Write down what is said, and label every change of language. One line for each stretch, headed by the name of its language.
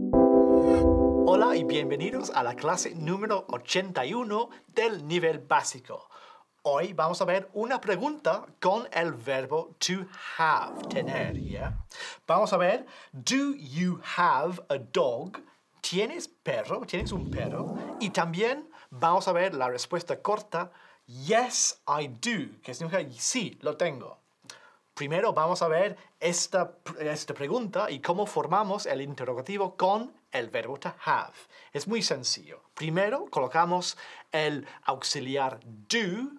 Spanish: Hola y bienvenidos a la clase número 81 del nivel básico. Hoy vamos a ver una pregunta con el verbo to have, tener, ¿ya? Vamos a ver,
English: do you have a dog?
Spanish: ¿Tienes perro? ¿Tienes un perro? Y también vamos a ver la respuesta corta,
English: yes, I do,
Spanish: que significa sí, lo tengo. Primero vamos a ver esta pregunta y cómo formamos el interrogativo con el verbo to have. Es muy sencillo. Primero colocamos el auxiliar do.